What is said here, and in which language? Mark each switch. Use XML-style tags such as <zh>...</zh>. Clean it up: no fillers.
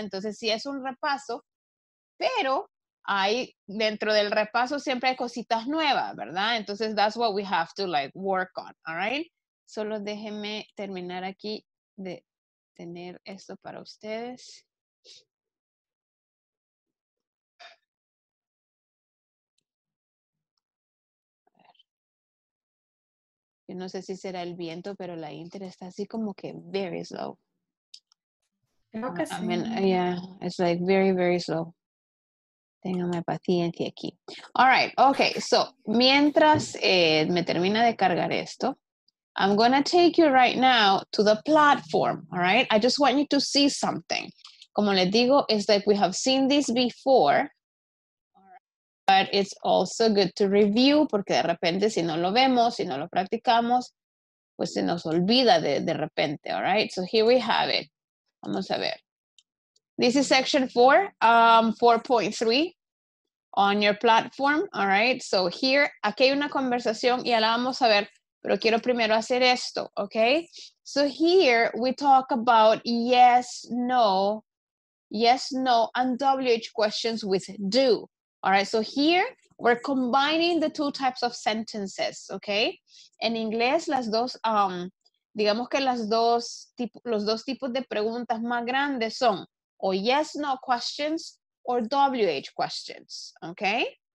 <es>Entonces sí es un repaso, pero hay, dentro del repaso siempre hay cositas nuevas, ¿verdad? Entonces</es> <en>that's what we have to like work on, all right?</en> <es>Solo déjenme terminar aquí de tener esto para ustedes. Yo no sé si será el viento, pero la inter está así como que</es> <en>very slow.</en> <es>Creo que sí.</es> <en>I mean, yeah, it's like very, very slow.</en> <es>Téngame paciencia aquí.</es> <en>All right, okay. So,</en> <es>mientras me termina de cargar esto,</es> <en>I'm going to take you right now to the platform, all right? I just want you to see something.</en> <es>Como les digo,</es> <en>it's like we have seen this before. But it's also good to review,</en> <es>porque de repente si no lo vemos, si no lo practicamos, pues se nos olvida de repente, all right?</es> <en>So here we have it.</en> <es>Vamos a ver.</es> <en>This is section 4, 4.3 on your platform, all right? So here,</en> <es>aquí hay una conversación y ya la vamos a ver, pero quiero primero hacer esto, okay?</es> <en>So here we talk about yes, no, and WH questions with do. All right, so here we're combining the two types of sentences, okay?</en> <es>En inglés, las dos, digamos que las dos tipo, los dos tipos de preguntas más grandes son o</es> <en>yes, no questions or WH questions,</en> <es>okay?</es>